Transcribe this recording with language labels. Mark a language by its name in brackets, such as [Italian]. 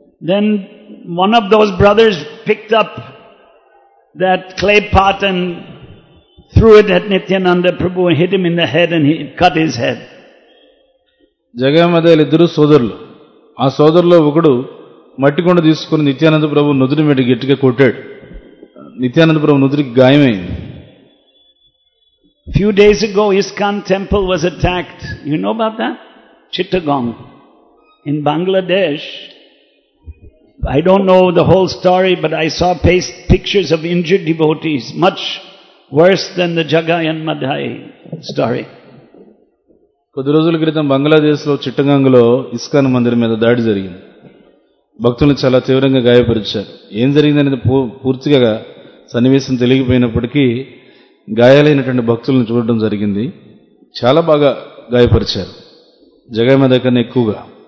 [English] Then one of those brothers picked up that clay pot and through it at Nityananda Prabhu and hit him in the head and he cut his head. [Telugu] జగయమాదా ఇద్దరు సోదరులు, ఆ సోదరులో ఒకడు మట్టికొండ తీసుకుని నిత్యానంద ప్రభు నుదురు మీద గట్టిగా కొట్టాడు. నిత్యానంద ప్రభు నుదురికి గాయమైంది. [English] Few days ago, ISKCON temple was attacked. You know about that? Chittagong. In Bangladesh, I don't know the whole story, but I saw pictures of injured devotees, much worse than the Jagayan Madhai story. [Telugu] కొద్ది రోజుల క్రితం బంగ్లాదేశ్లో చిట్టగాంగ్లో ISKCON Mandir మీద దాడి జరిగింది. భక్తులు చాలా తీవ్రంగా గాయపరిచారు. ఏం జరిగిందనేది పూర్తిగా సన్నివేశం తెలియకపోయినప్పటికీ గాయాలైనటువంటి భక్తులను చూడటం జరిగింది. చాలా బాగా గాయపరిచారు జగన్మాధ కన్నా ఎక్కువగా.